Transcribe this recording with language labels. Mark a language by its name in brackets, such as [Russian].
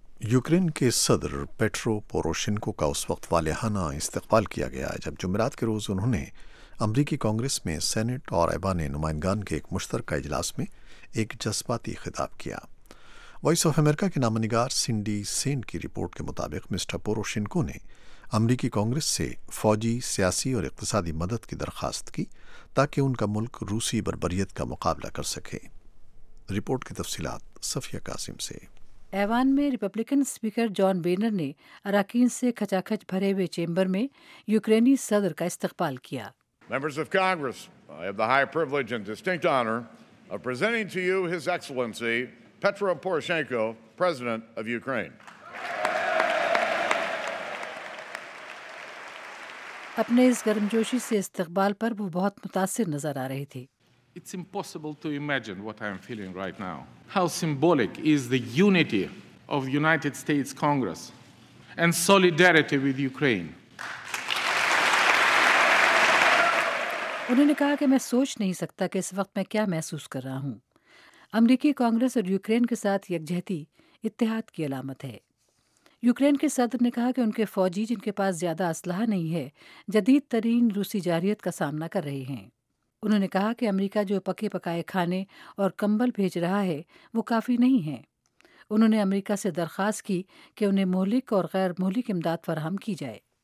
[Urdu] Ukraine کے صدر petro Poroshenko کا اس وقت والہانہ استقبال کیا گیا جب جمعرات کے روز انہوں نے امریکی کانگریس میں سینٹ اور ایبان نمائندگان کے ایک مشترکہ اجلاس میں ایک جذباتی خطاب کیا۔ وائس آف امریکہ کے نامہ نگار سنڈی سین کی رپورٹ کے مطابق مسٹر پوروشنکو نے امریکی کانگریس سے فوجی، سیاسی اور اقتصادی مدد کی درخواست کی تاکہ ان کا ملک روسی بربریت کا مقابلہ کر سکے۔ رپورٹ کی تفصیلات صفیہ قاسم سے۔ ایوان میں ریپبلکن سپیکر جان بینر نے اراکین سے کھچا کھچ بھرے ہوئے چیمبر میں یوکرینی صدر کا استقبال کیا۔ [English] Members of Congress, I have the high privilege and distinct honor of presenting to you His Excellency Petro Poroshenko, President of Ukraine. [Urdu] اپنے اس گرمجوشی سے استقبال پر وہ بہت متاثر نظر آ رہے تھے۔ [English] It's impossible to imagine what I am feeling right now. How symbolic is the unity of United States Congress and solidarity with Ukraine. [Urdu] انہوں نے کہا کہ میں سوچ نہیں سکتا کہ اس وقت میں کیا محسوس کر رہا ہوں۔ امریکی کانگریس اور یوکرین کے ساتھ یکجہتی اتحاد کی علامت ہے۔ یوکرین کے صدر نے کہا کہ ان کے فوجی، جن کے پاس زیادہ اسلحہ نہیں ہے، جدید ترین روسی جارحیت کا سامنا کر رہے ہیں۔ انہوں نے کہا کہ امریکہ جو پکے پکائے کھانے اور کمبل بھیج رہا ہے وہ کافی نہیں ہے۔ انہوں نے امریکہ سے درخواست کی کہ انہیں مہلک اور غیر مہلک امداد فراہم کی جائے۔